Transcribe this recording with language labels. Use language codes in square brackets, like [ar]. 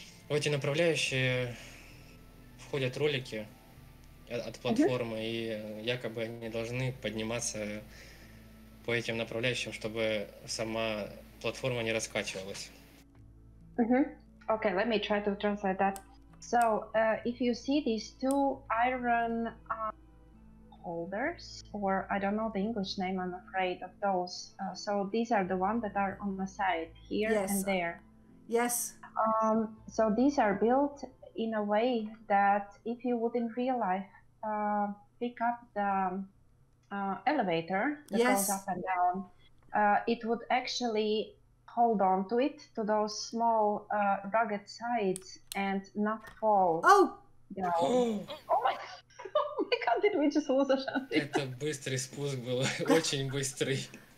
[ru] в эти направляющие входят ролики от платформы, и якобы они должны подниматься по этим направляющим, чтобы сама платформа не раскачивалась. [en] Okay, let me try to translate that. So, if you see these two iron holders, or I don't know the English name, I'm afraid, of those. So these are the ones that are on the side, here and there. Yes. So these are built in a way that if you would in real life pick up the elevator that goes up and down, it would actually hold on to it, to those small rugged sides, and not fall. Oh my god, did we just lose Ashantin? [ru] Это быстрый спуск был, очень быстрый.